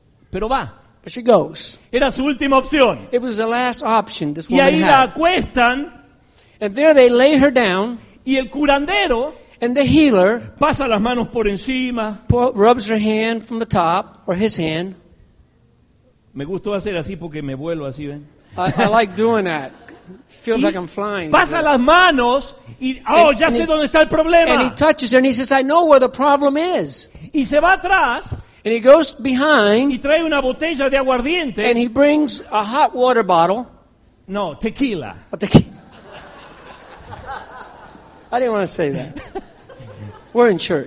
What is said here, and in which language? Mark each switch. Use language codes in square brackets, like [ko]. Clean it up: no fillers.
[es] Pero va. [en] But she goes. [es] Era su última opción. [en] It was the last option this [es] y [en] woman [es] ahí [en] had. [es] La acuestan. [en] And there they lay her down. [es] Y el curandero. [en] And the healer. [es] Pasa las manos por encima. [en] Rubs her hand from the top or his hand. [es] Me gustó hacer así porque me vuelo así, ¿ven? [en] I like doing that. Feels like I'm flying. [es] Pasa las manos y ya sé dónde está el problema. [en] And he touches her and he says, I know where the problem is. [es] Y se va atrás. [en] And he goes behind. [es] Y trae una botella de aguardiente. [en] And he brings a hot water bottle. [es] No, tequila. [en] A tequila. I didn't want to say that. We're in church.